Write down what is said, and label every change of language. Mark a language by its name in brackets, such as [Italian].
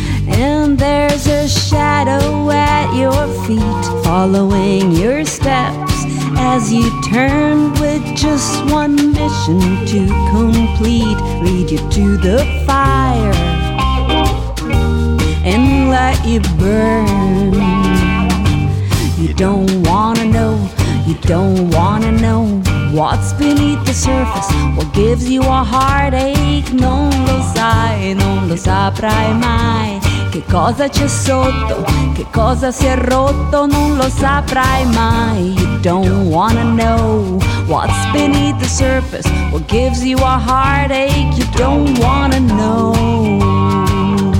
[English] And there's a shadow at your feet, following your steps as you turn, with just one mission to complete: lead you to the fire and let you burn. You don't wanna know, you don't wanna know what's beneath the surface, what gives you a heartache. [Italian] Non lo sai, non lo saprai mai. Che cosa c'è sotto, che cosa si è rotto, non lo saprai mai. [English] You don't wanna know what's beneath the surface, what gives you a heartache. You don't wanna know.